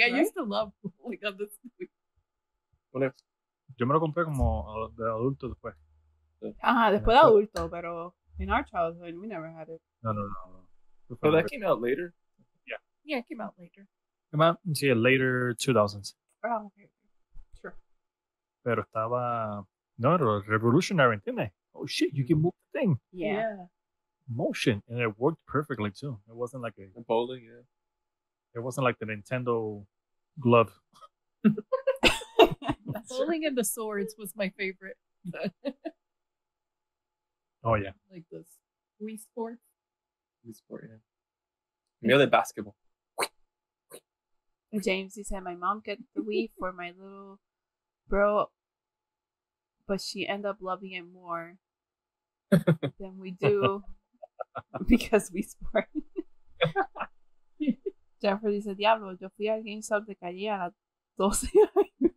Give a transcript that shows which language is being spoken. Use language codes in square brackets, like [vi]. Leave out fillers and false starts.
[en] Right? I used to love bowling on the Wii. [es] Yo me lo compré como de adulto después. Ajá, después de adulto, pero [en] in our childhood, we never had it. No. But that came out later. Yeah, it came out later. Came out in the later 2000s. Oh, okay. Sure. [es] Pero estaba... No, era revolutionary, ¿entiendes? [en] Oh, shit, you can move the thing. Yeah. Motion, and it worked perfectly, too. It wasn't like a... The bowling, yeah. It wasn't like the Nintendo glove. Bowling and the swords was my favorite. Oh, yeah. Like this. Wii Sport. Wii Sport, yeah. Nearly basketball. James, he said, my mom got the Wii for my little bro, but she ended up loving it more than we do because Wii Sport. [es] Jeffrey said, Diablo, yo fui a GameStop de calle a la 12 años.